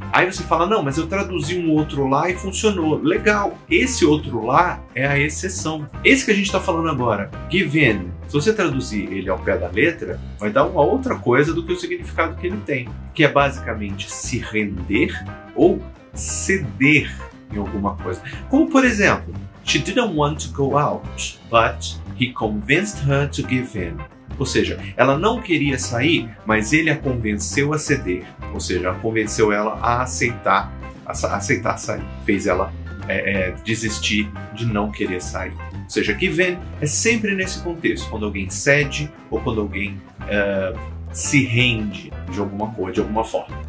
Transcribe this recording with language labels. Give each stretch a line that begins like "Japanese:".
Portuguese: Aí você fala, não, mas eu traduzi um outro lá e funcionou. Legal, esse outro lá é a exceção. Esse que a gente está falando agora, give in, se você traduzir ele ao pé da letra, vai dar uma outra coisa do que o significado que ele tem, que é basicamente se render ou ceder em alguma coisa.
English: Como, por exemplo, she didn't want to go out, but he convinced her to give in.
Portuguese: Ou seja, ela não queria sair, mas ele a convenceu a ceder. Ou seja, convenceu ela a aceitar sair. Fez ela desistir de não querer sair. Ou seja, give in é sempre nesse contexto, quando alguém cede ou quando alguém se rende de alguma coisa, de alguma forma.